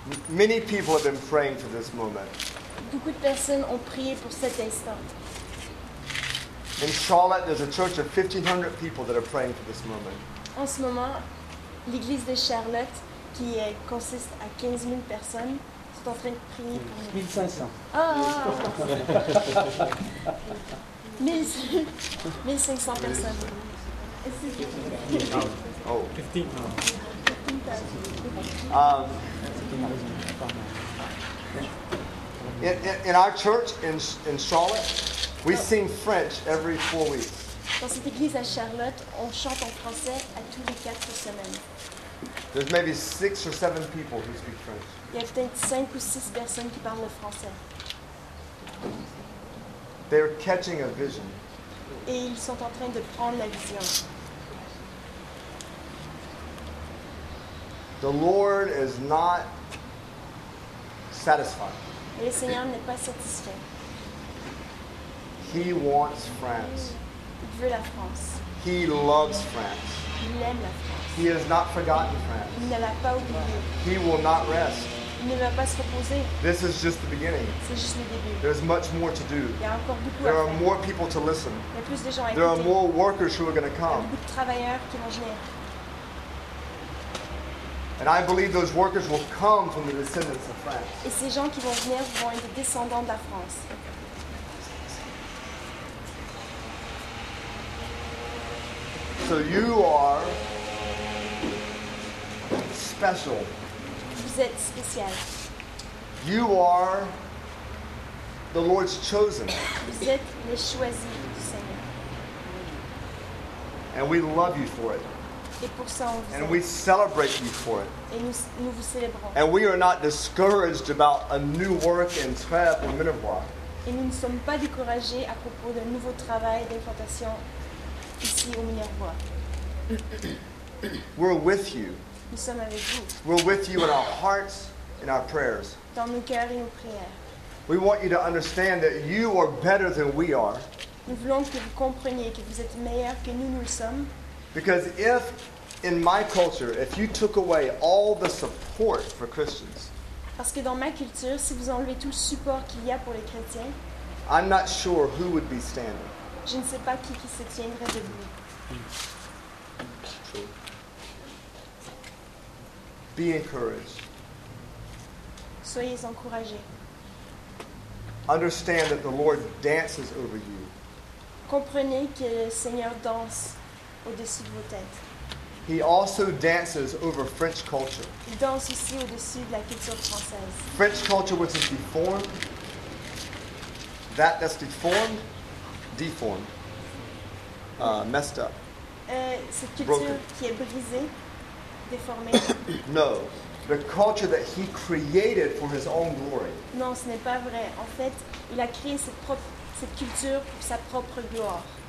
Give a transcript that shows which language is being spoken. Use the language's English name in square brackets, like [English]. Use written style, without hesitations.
[English] Many people have been praying for this moment. [French] Beaucoup de personnes ont prié pour cet instant. [English] In Charlotte, there's a church of 1,500 people that are praying for this moment. [French] En ce moment, l'église de Charlotte, qui consiste à 15 000 personnes, sont en train de prier pour nous. [English] 1,500. Ah! [French] 1,500 personnes. Oh. [English] 15,000. In our church in Charlotte, we sing French every 4 weeks. [French] Dans cette église à Charlotte, on chante en français à tous les 4 semaines. [English] There's maybe 6 or 7 people who speak French. [French] Il y a peut-être 5 ou 6 personnes qui parlent le français. [English] They're catching a vision. [French] Et ils sont en train de prendre la vision. [English] The Lord is not satisfied. [French] Le Seigneur n'est pas satisfait. [English] He wants France. [French] Il veut la France. [English] He loves France. [French] Il aime la France. [English] He has not forgotten France. [French] Il ne l'a pas oublié. [English] He will not rest. [French] Il ne va pas se reposer. [English] This is just the beginning. [French] C'est juste le début. [English] There's much more to do. [French] Il y a encore beaucoup à faire. [English] There are more people to listen. [French] Il y a plus de gens à écouter. [English] There are more workers who are going to come. [French] Il y a beaucoup de travailleurs qui vont venir. [English] And I believe those workers will come from the descendants of France. [French] Et ces gens qui vont venir vont être descendants de la France. [English] So you are special. [French] Vous êtes spécial. [English] You are the Lord's chosen. [French] Vous êtes les choisis du Seigneur. [English] And we love you for it. [French] Et pour ça, on vous [English] and aime. We celebrate you for it. [French] Et nous vous célébrons. [English] And we are not discouraged about a new work in Trèves or Minervois. [French] Et nous ne sommes pas découragés à propos d'un nouveau travail d'implantation ici au Minervois. [English] We're with you. [French] Nous sommes avec vous. [English] We're with you in our hearts and our prayers. [French] Dans nos cœurs et nos prières. [English] We want you to understand that you are better than we are. [French] Nous voulons que vous compreniez que vous êtes meilleurs que nous le sommes. [English] Because if, in my culture, if you took away all the support for Christians, [French] parce que dans ma culture, si vous enlevez tout le support qu'il y a pour les chrétiens, [English] I'm not sure who would be standing. [French] Je ne sais pas qui se tiendrait debout. [English] Be encouraged. [French] Soyez encouragés. [English] Understand that the Lord dances over you. [French] Comprenez que le Seigneur danse. Au-dessus de vos têtes. [English] He also dances over French culture. [French] Il danse aussi au-dessus de la culture française. [English] French culture, which is deformed, that's deformed, deformed, messed up. [French] Cette culture [English] broken. [French] Qui est brisée, déformée. [English] No, the culture that he created for his own glory. [French] Non, ce n'est pas vrai. En fait, il a créé cette culture pour sa propre gloire.